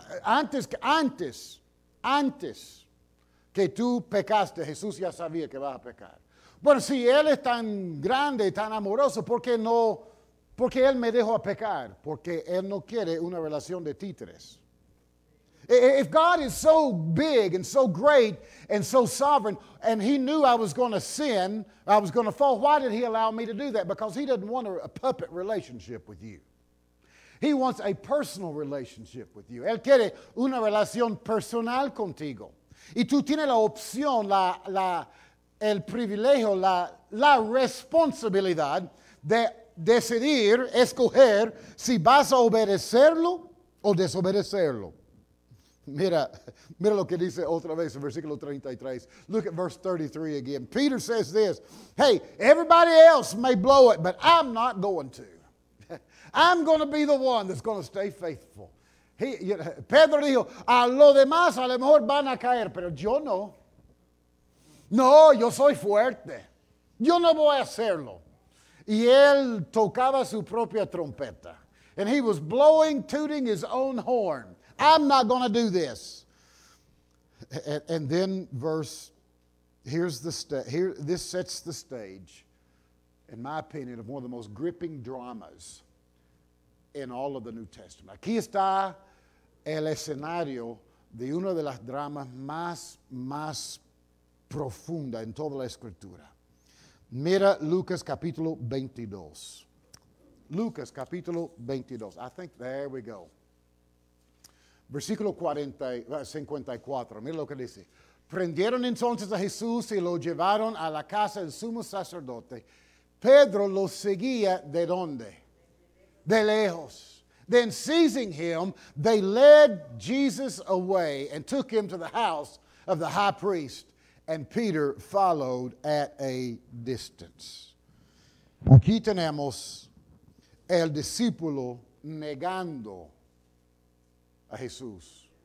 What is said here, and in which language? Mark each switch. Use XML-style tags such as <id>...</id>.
<es>Antes que tú pecaste, Jesús ya sabía que vas a pecar. Bueno, si Él es tan grande, tan amoroso, ¿por qué no? Porque Él me dejó a pecar, porque Él no quiere una relación de títeres.</es> <en>If God is so big and so great and so sovereign, and He knew I was going to sin, I was going to fall, why did He allow me to do that? Because He doesn't want a puppet relationship with you. He wants a personal relationship with you.</en> <es>Él quiere una relación personal contigo. Y tú tienes la opción, el privilegio, la responsabilidad de decidir, escoger si vas a obedecerlo o desobedecerlo. Mira lo que dice otra vez en versículo 33.</es> <en>Look at verse 33 again. Peter says this, hey, everybody else may blow it, but I'm not going to. I'm going to be the one that's going to stay faithful.</en> <es>Pedro dijo, a los demás a lo mejor van a caer, pero yo no. No, yo soy fuerte. Yo no voy a hacerlo. Y él tocaba su propia trompeta.</es> <en>And he was blowing, tooting his own horn. I'm not going to do this. And then this sets the stage, in my opinion, of one of the most gripping dramas in all of the New Testament.</en> <es>Aquí está el escenario de uno de las dramas más profundas en toda la Escritura. Mira Lucas capítulo 22. Lucas capítulo 22.</es> <en>I think there we go.</en> <es>Versículo 54. Mira lo que dice. Prendieron entonces a Jesús y lo llevaron a la casa del sumo sacerdote. Pedro lo seguía ¿de dónde? De lejos.</es> <en>Then seizing him, they led Jesus away and took him to the house of the high priest. And Peter followed at a distance.</en> <es>Aquí tenemos el discípulo negando a Jesús.</es>